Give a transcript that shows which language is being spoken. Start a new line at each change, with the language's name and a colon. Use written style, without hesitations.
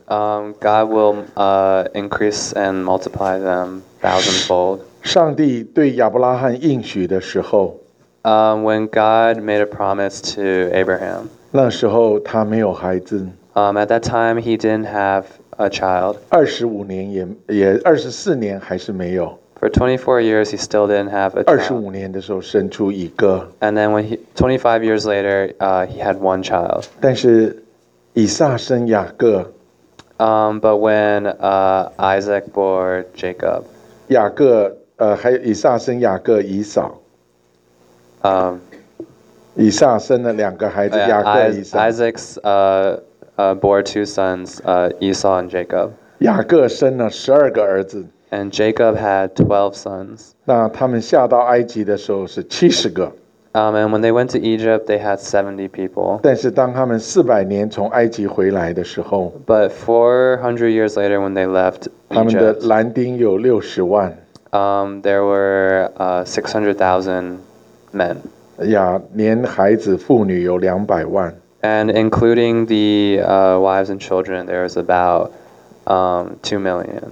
English: God will increase and multiply them thousandfold.
Chinese: 上帝对亚伯拉罕应许的时候。
English: When God made a promise to Abraham.
Chinese: 那时候他没有孩子。
English: At that time, he didn't have a child.
Chinese: 24年还是没有。
English: For 24 years, he still didn't have a child.
Chinese: 25年的时候生出一个。
English: And then when 25 years later, he had one child.
Chinese: 但是以撒生雅各。
English: But when Isaac bore Jacob.
Chinese: 雅各还有以撒生雅各以扫。以撒生了两个孩子，雅各以撒。
English: Isaac's bore two sons, Esau and Jacob.
Chinese: 雅各生了十二个儿子。
English: And Jacob had 12 sons.
Chinese: 那他们下到埃及的时候是七十个。
English: And when they went to Egypt, they had 70 people.
Chinese: 但是当他们四百年从埃及回来的时候
English: ，But 400 years later when they left Egypt,
Chinese: 他们的男丁有600,000。
English: There were 600,000 men.
Chinese: 呀，连孩子妇女有200,000。
English: And including the wives and children, there is about 2 million.